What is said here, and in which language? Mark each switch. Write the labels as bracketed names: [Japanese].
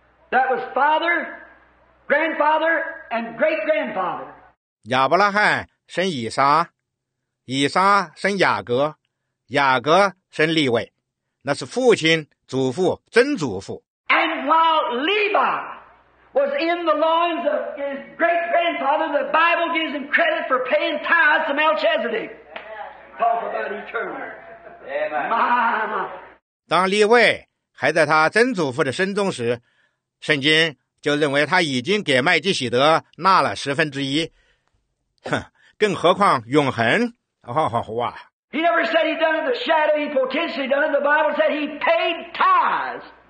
[English] That was father, grandfather, and great grandfather. [Chinese] 亚伯拉罕生以撒，以撒生雅各，雅各生利未，那是父亲、祖父、曾祖父。 [English] And while Levi was in the loins of his great grandfather, the Bible gives him credit for paying tithes to Melchizedek. Talk about eternity. Amen. [Chinese] 当利未还在他曾祖父的身中时，圣经就认为他已经给麦基洗德纳了十分之一。哼，更何况永恒。哇 [English] He never said he'd done it, the shadow, he potentially done it. The Bible said he paid tithes.